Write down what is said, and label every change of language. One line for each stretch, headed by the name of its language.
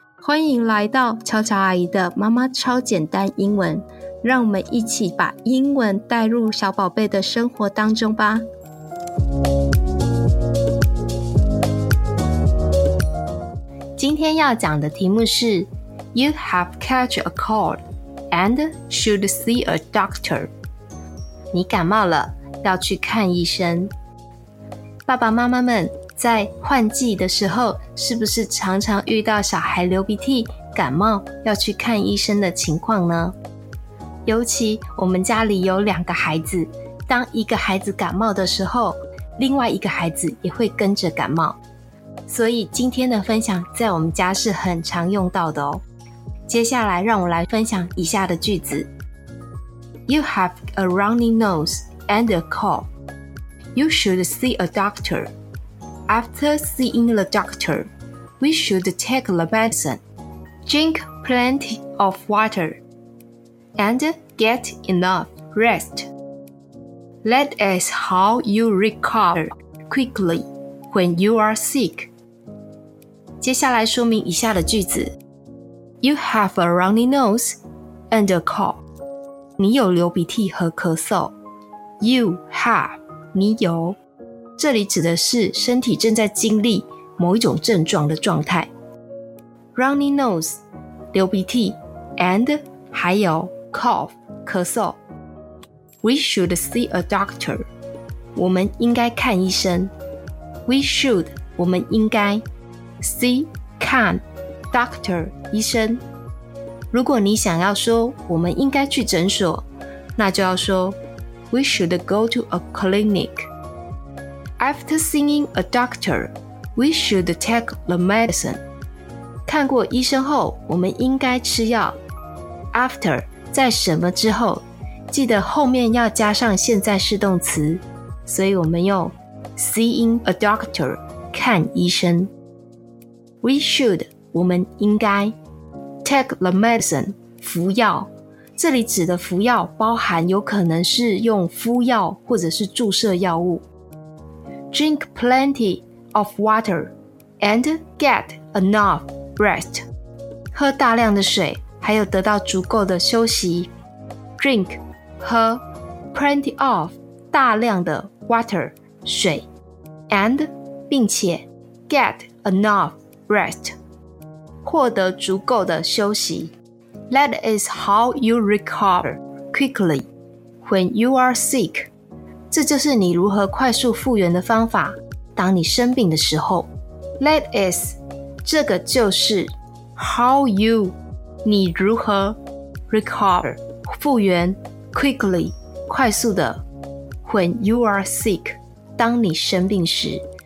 Chinese: 欢迎来到乔乔阿姨的妈妈超简单英文，让我们一起把英文带入小宝贝的生活当中吧。今天要讲的题目是
English: You have catch a cold and should see a doctor.
Chinese: 你感冒了，要去看医生。爸爸妈妈们在换季的时候，是不是常常遇到小孩流鼻涕、感冒要去看医生的情况呢？尤其我们家里有两个孩子，当一个孩子感冒的时候，另外一个孩子也会跟着感冒。所以今天的分享在我们家是很常用到的哦。接下来让我来分享以下的句子。
English: You have a runny nose and a cold. You should see a doctor. After seeing the doctor, we should take the medicine, drink plenty of water, and get enough rest. That is how you recover quickly when you are sick.
Chinese: 接下来说明以下的句子。
English: You have a runny nose and a cough.
Chinese: 你有流鼻涕和咳嗽。
English: You have,
Chinese: 你有。这里指的是身体正在经历某一种症状的状态。
English: Runny nose,
Chinese: 流鼻涕 and 还有
English: cough,
Chinese: 咳嗽。
English: We should see a doctor,
Chinese: 我们应该看医生。
English: We should,
Chinese: 我们应该
English: see,
Chinese: 看
English: doctor,
Chinese: 医生。如果你想要说我们应该去诊所，那就要说
English: We should go to a clinic. After seeing a doctor, we should take the medicine.
Chinese: 看过医生后，我们应该吃药。 After, 在什么之后，记得后面要加上现在式动词，所以我们用
English: seeing a doctor,
Chinese: 看医生。
English: We should,
Chinese: 我们应该
English: take the medicine,
Chinese: 服药。这里指的服药包含有可能是用敷药或者是注射药物。
English: Drink plenty of water and get enough rest.
Chinese: 喝大量的水，还有得到足够的休息。
English: Drink,
Chinese: 喝
English: plenty of,
Chinese: 大量的
English: water,
Chinese: 水
English: and,
Chinese: 并且
English: get enough rest,
Chinese: 获得足够的休息。
English: That is how you recover quickly when you are sick.
Chinese: 这就是你如何快速复原的方法，当你生病的时候。
English: That is,
Chinese: 这个就是
English: how you,
Chinese: 你如何
English: recover,
Chinese: 复原
English: quickly,
Chinese: 快速的
English: when you are sick,
Chinese: 当你生病时。